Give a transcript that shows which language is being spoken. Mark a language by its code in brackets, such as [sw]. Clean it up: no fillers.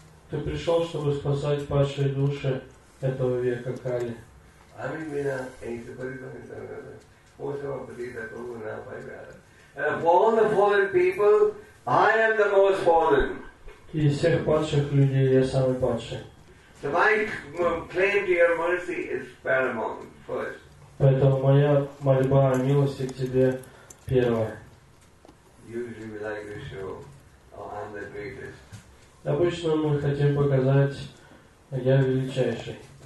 [ru] Ты пришел, чтобы спасать падшие души этого века Кали. [en] I am the most fallen. [ru] Из всех падших людей я самый падший. [en] So my claim to your mercy is paramount first. [ru] Поэтому моя мольба о милости к тебе первая. [en] Usually we like to show, oh, I'm the greatest. [ru] Обычно мы хотим показать, я величайший.